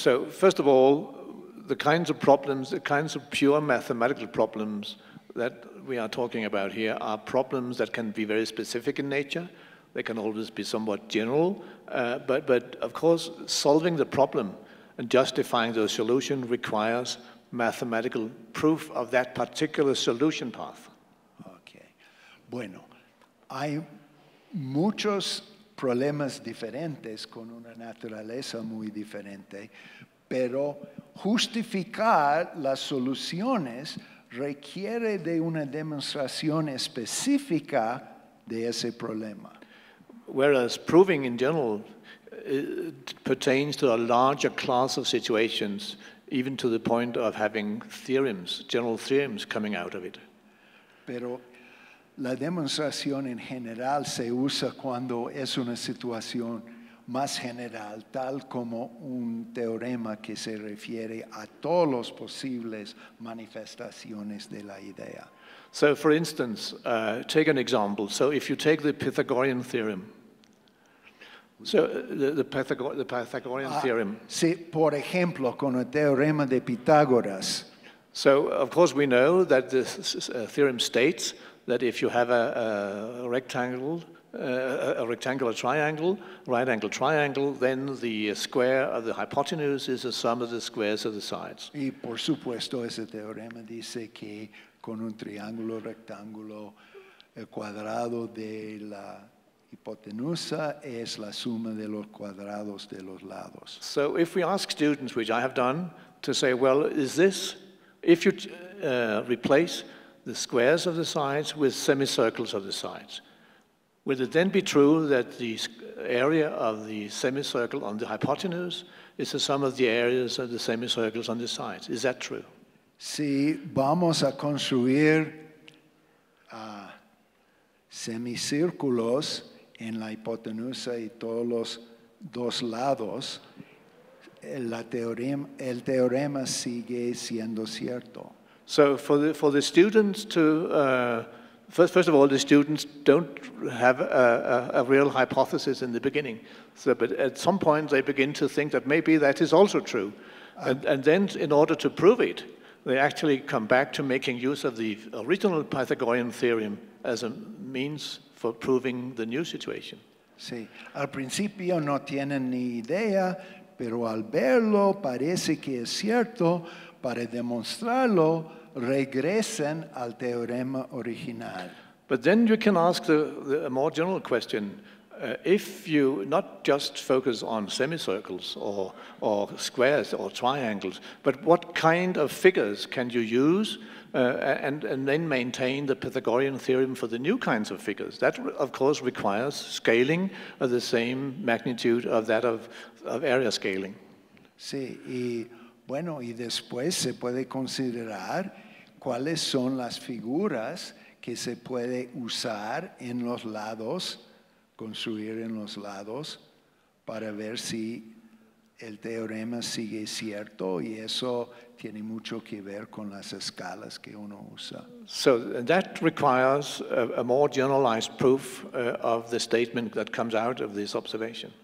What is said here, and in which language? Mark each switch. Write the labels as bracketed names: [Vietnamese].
[English] So first of all, the kinds of problems, the kinds of pure mathematical problems that we are talking about here are problems that can be very specific in nature. They can always be somewhat general, but of course solving the problem and justifying the solution requires mathematical proof of that particular solution path. [Spanish] Okay. Bueno, hay muchos problemas diferentes con una naturaleza muy diferente, pero justificar las soluciones requiere de una demostración específica de ese problema. [English] Whereas proving in general pertains to a larger class of situations, even to the point of having theorems, general theorems coming out of it. [Spanish] Pero la demostración en general se usa cuando es una situación más general, tal como un teorema que se refiere a todos los posibles manifestaciones de la idea. [English] So, for instance, take an example. So, if you take the Pythagorean theorem. So, the Pythagorean theorem. [Spanish] Si, por ejemplo, con el teorema de Pitágoras. [English] So, of course, we know that this theorem states that if you have a rectangular triangle, right angle triangle, then the square of the hypotenuse is the sum of the squares of the sides. [Spanish] Y por supuesto ese teorema dice que con un triángulo rectángulo el cuadrado de la hipotenusa es la suma de los cuadrados de los lados. [English] So if we ask students, which I have done, to say, well, is this, if you replace the squares of the sides with semicircles of the sides, would it then be true that the area of the semicircle on the hypotenuse is the sum of the areas of the semicircles on the sides? Is that true? [Spanish] Si vamos a construir semicírculos en la hipotenusa y todos los dos lados, el teorema sigue siendo cierto. [English] So for the students to first of all, the students don't have a real hypothesis in the beginning. So, but at some point they begin to think that maybe that is also true. And then in order to prove it, they actually come back to making use of the original Pythagorean theorem as a means for proving the new situation. [Spanish] Sí. Al principio no tienen ni idea, pero al verlo parece que es cierto. Para demostrarlo, regresen al teorema original. [English] But then you can ask a more general question. If you not just focus on semicircles or squares or triangles, but what kind of figures can you use and then maintain the Pythagorean theorem for the new kinds of figures? That, of course, requires scaling of the same magnitude of that of area scaling. [Spanish] Sí, y bueno, y después se puede considerar cuáles son las figuras que se puede usar en los lados, construir en los lados, para ver si el teorema sigue cierto, y eso tiene mucho que ver con las escalas que uno usa. [English] So that requires a more generalized proof of the statement that comes out of this observation.